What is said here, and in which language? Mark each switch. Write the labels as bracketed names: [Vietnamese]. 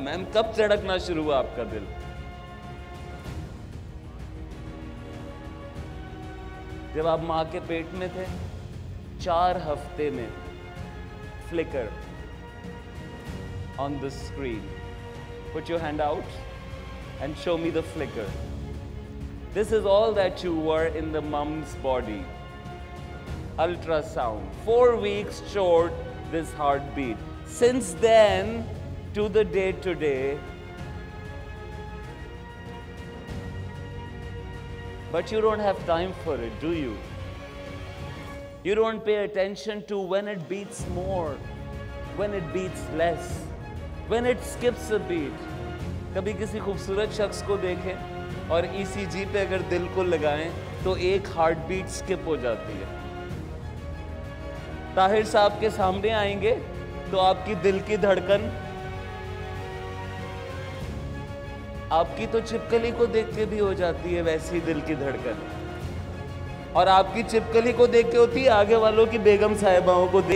[Urdu] میم کب دھڑکنا شروع ہوا آپ کا دل؟ جب آپ ماں کے پیٹ میں تھے، 4 ہفتے میں [English] Flicker on the screen. Put your hand out and show me the flicker. This is all that you were in the mom's body. Ultrasound. 4 weeks showed this heartbeat. Since then to the day today. But you don't have time for it, do you? You don't pay attention to when it beats more, when it beats less, when it skips a beat. [Urdu] کبھی کسی خوبصورت شخص کو دیکھیں اور ای سی جی پہ اگر دل کو لگائیں تو ایک ہارٹ بیٹ سکپ ہو جاتی ہے. طاہر صاحب کے سامنے آئیں گے تو آپ کی دل کی دھڑکن آپ کی تو چپکلی کو دیکھ کے بھی ہو جاتی ہے ویسی دل کی دھڑکن, اور آپ کی چپکلی کو دیکھ کے ہوتی ہے آگے والوں کی بیگم صاحباؤں کو دے.